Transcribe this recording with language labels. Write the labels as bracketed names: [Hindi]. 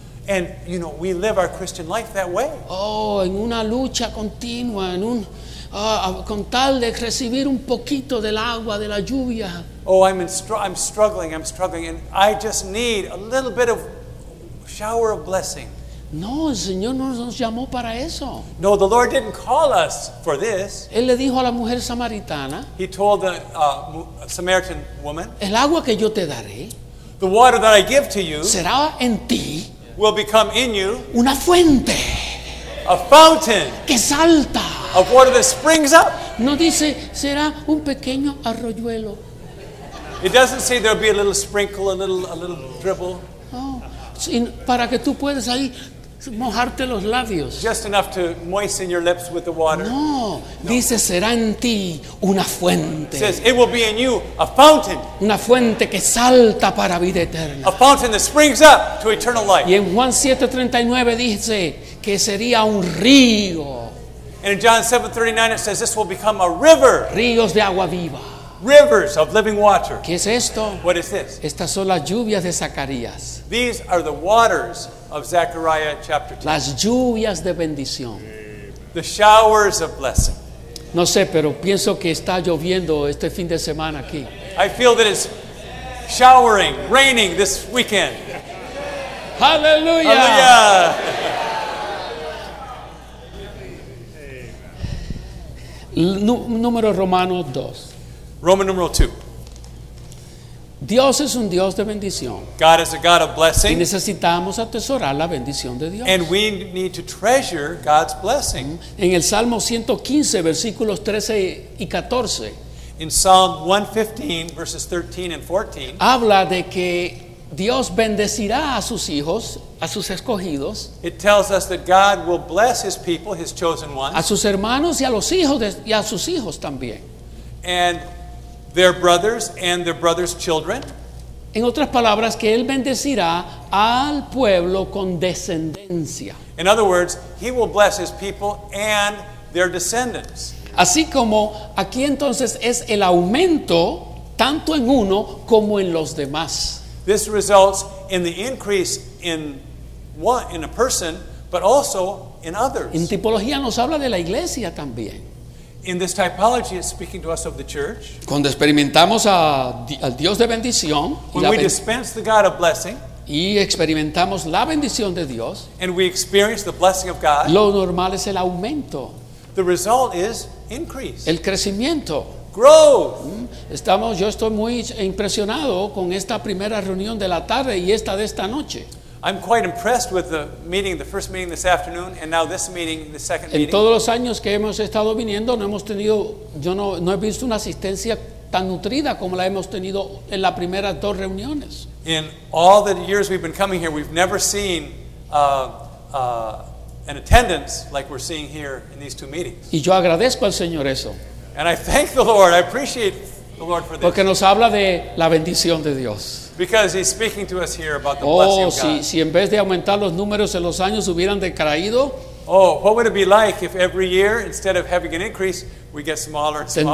[English] And you know, we live our Christian life that way. [Spanish] Oh, en una lucha continua, en un con tal de recibir un poquito del agua, de la lluvia. [English] Oh, I'm struggling, and I just need a little bit of shower of blessing. [Spanish] No, el Señor no nos llamó para eso. [English] No, the Lord didn't call us for this. [Spanish] Él le dijo a la mujer samaritana. [English] He told the Samaritan woman. [Spanish] El agua que yo te daré. [English] The water that I give to you. [Spanish] Será en ti. [English] Will become in you. [Spanish] Una fuente. [English] A fountain. [Spanish] Que salta. [English] Of water that springs up. [Spanish] No dice, será un pequeño arroyuelo. [English] It doesn't say there'll be a little sprinkle, a little dribble. [Spanish] Oh, para que tú puedas ahí mojarte los labios. [English] Just enough to moisten your lips with the water. [Spanish] No, no. Dice, será en ti una fuente. [English] It says, it will be in you a fountain. [Spanish] Una fuente que salta para vida eterna. [English] A fountain that springs up to eternal life. [Spanish] Y en Juan 7:39 dice que sería un río. [English] And in John 7:39 it says this will become a river. [Spanish] Ríos de agua viva. [English] Rivers of living water. [Spanish] ¿Qué es esto? [English] What is this? [Spanish] Estas son las lluvias de Zacarías. [English] These are the waters of Zechariah chapter 2. [Spanish] Las lluvias de bendición. [English] The showers of blessing. [Spanish] No sé, pero pienso que está lloviendo este fin de semana aquí. [English] I feel that it's showering, raining this weekend. Hallelujah. Hallelujah. [Spanish] Número Romanos 2. [English] Roman numeral 2. [Spanish] Dios es un Dios de bendición. [English] God is a God of blessing. [Spanish] Y necesitamos atesorar la bendición de Dios. [English] And we need to treasure God's blessing. [Spanish] En el Salmo 115, versículos 13 y 14. [English] In Psalm 115, verses 13 and 14. [Spanish] Habla de que Dios bendecirá a sus hijos, a sus escogidos. [English] It tells us that God will bless his people, his chosen ones. [Spanish] A sus hermanos y a los hijos de, y a sus hijos también. [English] And their brothers and their brothers' children. [Spanish] En otras palabras, que él bendecirá al pueblo con descendencia. [English] In other words, he will bless his people and their descendants. [Spanish] Así como aquí entonces es el aumento tanto en uno como en los demás. [English] This results in the increase in one, in a person, but also in others. [Spanish] En tipología nos habla de la iglesia también. [English] In this typology, it's speaking to us of the church. [Spanish] Cuando experimentamos al Dios de bendición, [English] when we dispense the God of blessing, [Spanish] y experimentamos la bendición de Dios, [English] and we experience the blessing of God, [Spanish] lo normal es el aumento. [English] The result is increase. [Spanish] El crecimiento. [English] Growth. [Spanish] Yo estoy muy impresionado con esta primera reunión de la tarde y esta de esta noche. [English] I'm quite impressed with the meeting, the first meeting this afternoon, and now this meeting, the second meeting. [Spanish] En todos los años que hemos estado viniendo, no hemos tenido, yo no he visto una asistencia tan nutrida como la hemos tenido en las primeras dos reuniones. [English] In all the years we've been coming here, we've never seen an attendance like we're seeing here in these two meetings. [Spanish] Y yo agradezco al Señor eso. [English] And I thank the Lord. I appreciate the Lord for this. [Spanish] Porque nos habla de la bendición de Dios. [English] Because he's speaking to us here about the blessing of God. [Spanish] Si en vez de aumentar los números en los años hubieran decaído. [English] Oh, what would it be like if every year, instead of having an increase, we get smaller and smaller?